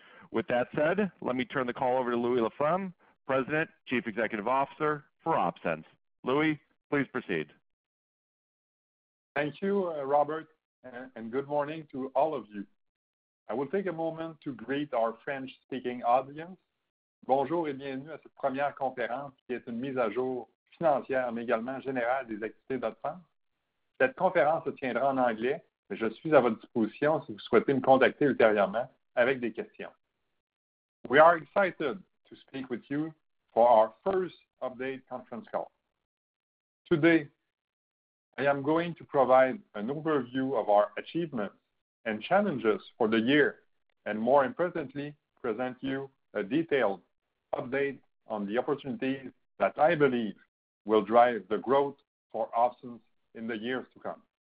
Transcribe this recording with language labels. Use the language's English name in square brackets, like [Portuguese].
[English] With that said, let me turn the call over to Louis Laflamme, President, Chief Executive Officer for Opsens. Louis, please proceed. Thank you, Robert, and good morning to all of you. I will take a moment to greet our French-speaking audience. [French] Bonjour et bienvenue à cette première conférence qui est une mise à jour financière mais également générale des activités d'Opsens. Cette conférence se tiendra en anglais, mais je suis à votre disposition si vous souhaitez me contacter ultérieurement avec des questions. [English] We are excited to speak with you for our first update conference call. Today, I am going to provide an overview of our achievements and challenges for the year and more importantly, present you a detailed update on the opportunities that I believe will drive the growth for Opsens in the years to come.